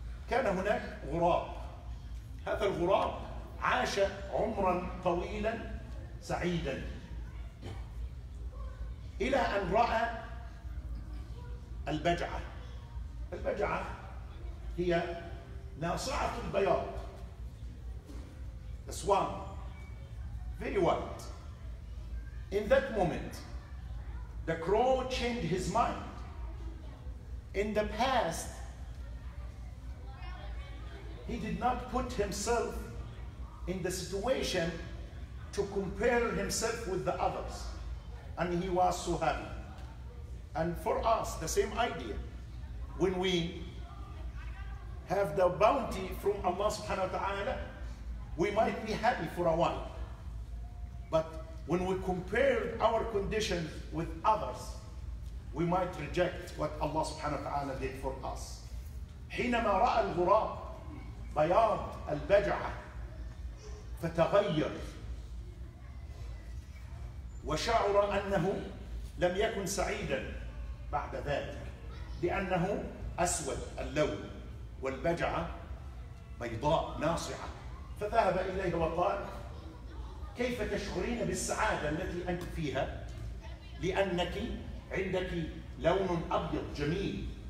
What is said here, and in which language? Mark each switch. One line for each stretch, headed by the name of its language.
Arabic: كان هناك غراب، هذا الغراب عاش عمرا طويلا سعيدا، إلى أن رأى البجعة. البجعة هي ناصعة البياض،
English: the swan. Very wild. In that moment, the crow changed his mind. In the past, he did not put himself in the situation to compare himself with the others. And he was so happy. And for us, the same idea. When we have the bounty from Allah subhanahu wa ta'ala, we might be happy for a while. But when we compare our conditions with others, we might reject what Allah subhanahu wa ta'ala did for us.
Arabic: حينما رأى الغراب بياض البجعة فتغير وشعر أنه لم يكن سعيدا بعد ذلك، لأنه أسود اللون والبجعة بيضاء ناصعة، فذهب إليها وقال: كيف تشعرين بالسعادة التي أنت فيها؟ لأنك عندك لون أبيض جميل.